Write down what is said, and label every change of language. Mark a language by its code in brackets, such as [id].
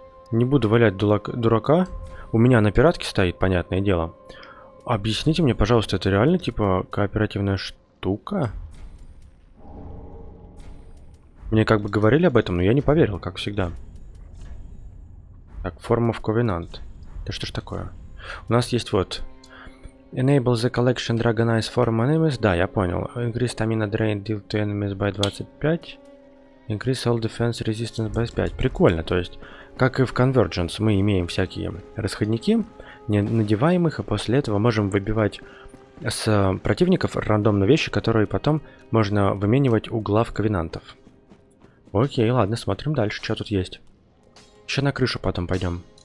[ru] Не буду валять дурака. У меня на пиратке стоит, понятное дело. Объясните мне, пожалуйста, это реально, типа, кооперативная штука? Мне как бы говорили об этом, но я не поверил, как всегда. Так, Form of Covenant. Да что ж такое? У нас есть вот... [en] Enable the collection Dragonize Form Animus. [ru] Да, я понял. [en] Increase Stamina Drain Deal to Enemies by 25. Increase all defense resistance by 5. [ru] Прикольно, то есть, как и в Convergence, мы имеем всякие расходники, надеваемых, и после этого можем выбивать с противников рандомно вещи, которые потом можно выменивать у глав ковенантов. Окей, ладно, смотрим дальше, что тут есть. Еще на крышу потом пойдем.